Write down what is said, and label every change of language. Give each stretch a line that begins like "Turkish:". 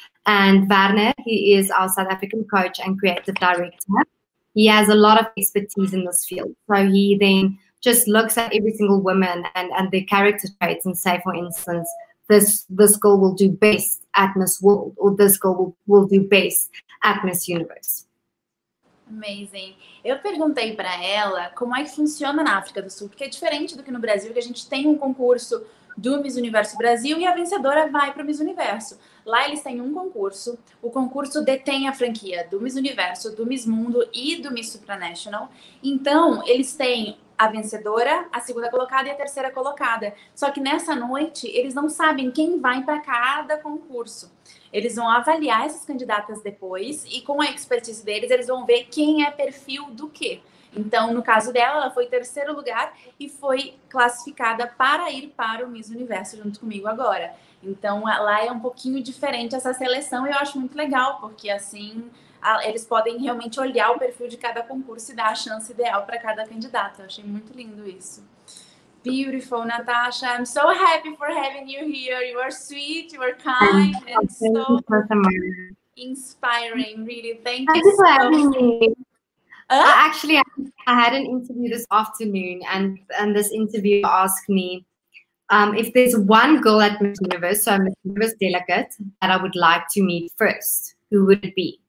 English: And Werner, he is our South African coach and creative director. He has a lot of expertise in this field. So he then just looks at every single woman and their character traits and say, for instance, this girl will do best at Miss World, or this girl will do best at Miss Universe. Amazing.
Portuguese: Eu perguntei para ela como é que funciona na África do Sul, porque é diferente do que no Brasil, que a gente tem um concurso do Miss Universo Brasil e a vencedora vai para o Miss Universo. Lá eles têm um concurso, o concurso detém a franquia do Miss Universo, do Miss Mundo e do Miss Supranational. Então, eles têm a vencedora, a segunda colocada e a terceira colocada. Só que nessa noite, eles não sabem quem vai para cada concurso. Eles vão avaliar essas candidatas depois e, com a expertise deles, eles vão ver quem é perfil do quê. Então, no caso dela, ela foi terceiro lugar e foi classificada para ir para o Miss Universo junto comigo agora. Então, lá é um pouquinho diferente essa seleção e eu acho muito legal, porque assim eles podem realmente olhar o perfil de cada concurso e dar a chance ideal para cada candidato. Eu achei muito lindo isso.
English: Beautiful,
Portuguese: Natasha.
English: I'm so happy for having you here. You are sweet, you are kind. Thank you so much. inspiring, really. Thank you so much. I had an interview this afternoon, and this interviewer asked me if there's one girl at Miss Universe, so I'm a Universe delegate, that I would like to meet first, who would it be?